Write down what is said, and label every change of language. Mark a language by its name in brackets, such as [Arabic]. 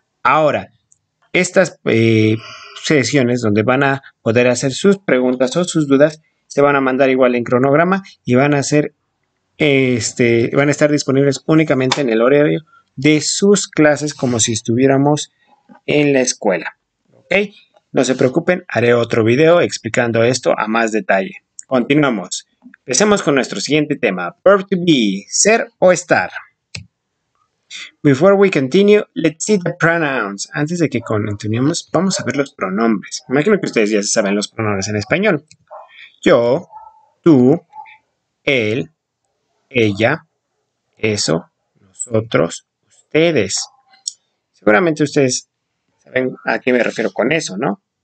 [Spanish] Ahora, estas sesiones donde van a poder hacer sus preguntas o sus dudas, se van a mandar igual en cronograma y van a ser van a estar disponibles únicamente en el horario de sus clases como si estuviéramos en la escuela. ¿Ok? No se preocupen, haré otro video explicando esto a más detalle. Continuamos. Empecemos con nuestro siguiente tema, [English] verb to be, [Spanish] ser o estar. [English] Before we continue, let's see the pronouns. [Spanish] Antes de que continuemos, vamos a ver los pronombres. Imagino que ustedes ya saben los pronombres en español. Yo, tú, él, ella, eso, nosotros, ustedes. Seguramente ustedes saben a qué me refiero con eso, ¿no?